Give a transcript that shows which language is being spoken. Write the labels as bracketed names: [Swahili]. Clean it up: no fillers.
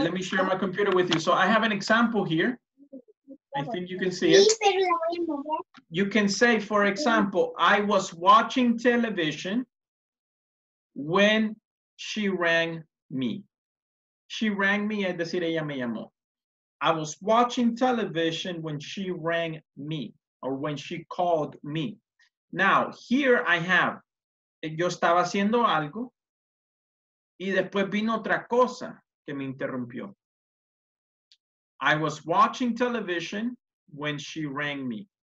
[English] Let me share my computer with you. So I have an example here. I think you can see it. You can say, for example, I was watching television when she rang me. She rang me, [Spanish] es decir, ella me llamó. [English] I was watching television when she rang me or when she called me. Now, here I have, [Spanish] yo estaba haciendo algo y después vino otra cosa que me interrumpió. [English] I was watching television when she rang me.